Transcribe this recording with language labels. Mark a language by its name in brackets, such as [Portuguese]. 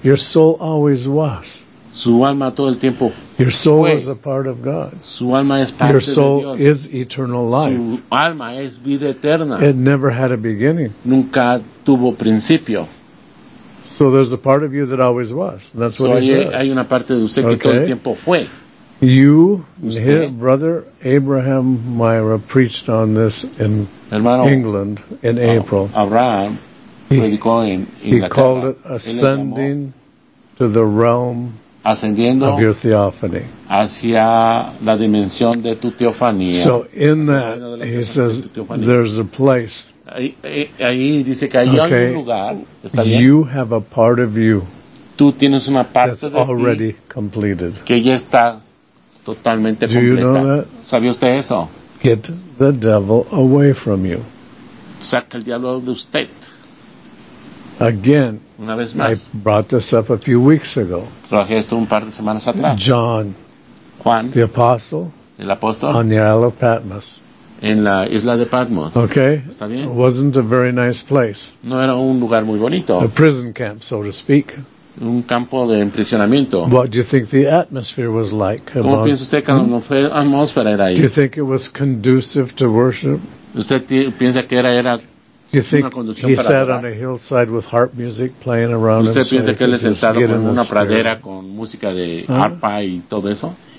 [English] Your soul always was. [Spanish] Su alma todo el tiempo. [English] Your soul is a part of God. [Spanish] Su alma es parte de Dios. [English] Your soul is eternal life. [Spanish] Su alma es vida eterna. [English] It never had a beginning. [Spanish] Nunca tuvo principio. [English] So there's a part of you that always was. That's what he says. [Spanish] Hay una parte de usted que todo el tiempo fue. [English] You, his brother Abraham Myra, preached on this in England in April. [Spanish] Abraham, [English] he called it ascending to the realm of your theophany. [Spanish] Hacia la dimensión de tu teofanía. [English] So in that, he says, there's a place. [Spanish] Ahí dice que hay algún lugar. ¿Está bien? [English] You have a part of you [Spanish] tú tienes una parte [English] that's [Spanish] de [English] already [Spanish] ti [English] completed. [Spanish] Que ya está totalmente [English] Do [Spanish] completa. [English] You know that? [Spanish] ¿Sabía usted eso? [English] Get the devil away from you. [Spanish] Saca el diablo de usted. [English] Again, [Spanish] una vez más, [English] I brought this up a few weeks ago. [Spanish] Traje esto un par de semanas atrás. [English] John, [Spanish] Juan, [English] the apostle, [Spanish] el apóstol, [English] on the Isle of Patmos. [Spanish] En la isla de Patmos. [English] Okay. [Spanish] ¿Está bien? [English] It wasn't a very nice place. [Spanish] No era un lugar muy bonito. [English] A prison camp, so to speak. [Spanish] Un campo de emprisionamiento. [English] What do you think the atmosphere was like? [Spanish] ¿Cómo piensa usted que la atmósfera era ahí? [English] Do you think it was conducive to worship? [Spanish] ¿Usted piensa que era [English] Do you think [Spanish] una [English] he [Spanish] para [English] sat [Spanish] adorar? [English] On a hillside with harp music playing around [Spanish] ¿Usted [English] him? [Spanish] ¿Piensa que él sentado en una pradera con música de arpa y todo eso?